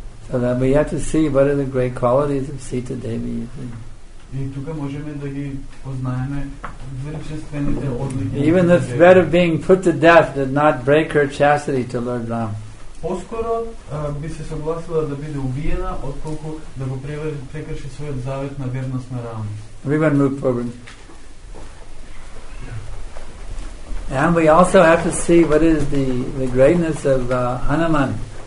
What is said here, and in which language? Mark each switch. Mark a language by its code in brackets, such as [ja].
[en] So that we have to see what are the great qualities of Sita Devi. Even the threat of being put to death did not break her chastity to Lord Ram. [mk] Поскоро би се согласила да биде убиена, отколку да го прекрши својот завет на верност на Рам. [en] We can move forward. And we also have to see what is the greatness of Hanuman.